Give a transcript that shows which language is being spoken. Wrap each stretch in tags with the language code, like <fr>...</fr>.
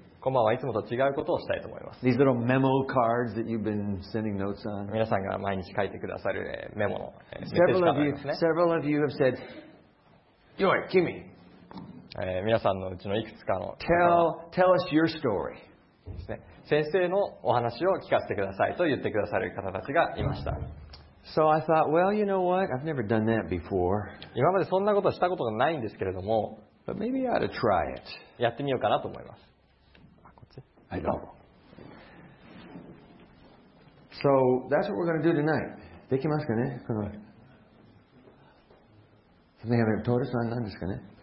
<ja>今晩はいつもと違うことをしたいと思います。</ja> <en>These little memo cards that you've been sending notes on.</en> <ja>皆さんが毎日書いてくださるメモのメッセージカードですね。</ja> <en>Several of you have said, "Yo, Kimmy."</en> <ja>皆さんのうちのいくつかの</ja> <en>Tell us your story.</en> <ja>ですね。先生のお話を聞かせてくださいと言ってくださる方たちがいました。</ja> <en>So I thought, well, you know what? I've never done that before.</en> <ja>今までそんなことはしたことがないんですけれども、</ja> <en>But maybe I ought to try it.</en> <ja>やってみようかなと思います。あ、こっち。</ja> <en>I know. So that's what we're going to do tonight.</en> <ja>できますかね？この。</ja> <en>Something I've been told is not nice, かね？</en>